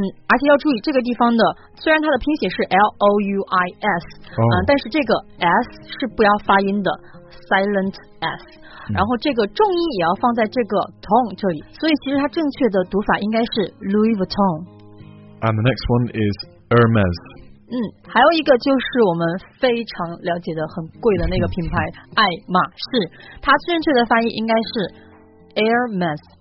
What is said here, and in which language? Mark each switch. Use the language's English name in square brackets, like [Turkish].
[Chinese] 而且要注意这个地方的虽然它的拼写是 L-O-U-I-S、但是这个 S 是不要发音的 silent S、然后这个重音也要放在这个 tone 这里，所以其实它正确的读法应该是 Louis Vuitton. [English] And the next one is Hermes. [Chinese] 还有一个就是我们非常了解的很贵的那个品牌爱马仕，它正确的发音应该是 Hermes